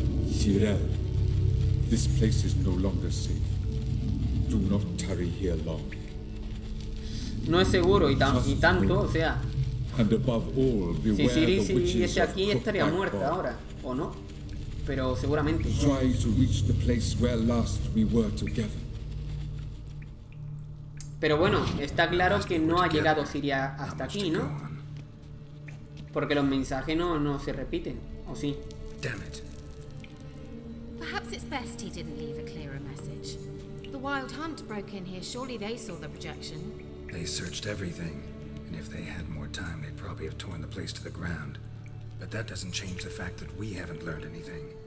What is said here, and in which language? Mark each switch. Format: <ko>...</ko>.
<en>Sirel, this place is no longer safe. Do not tarry here long.</en> <es>No es seguro y tanto, o sea.</es> <en>And above all, beware</en> <es>si Siri siguiese aquí, estaría muerta ahora, ¿o no? Pero seguramente.</es> <en>Try to reach the place where last we were together.</en> <es>Pero bueno, está claro que no ha llegado Siria hasta aquí, ¿no? Porque los mensajes no se repiten, ¿o sí?</es> <en>Damn it. Perhaps it's best he didn't leave a clearer message. The Wild Hunt broke in here. Surely they saw the projection. They searched everything, and if they had more time, they'd probably have torn the place to the ground. But that doesn't change the fact that we haven't learned anything.</en>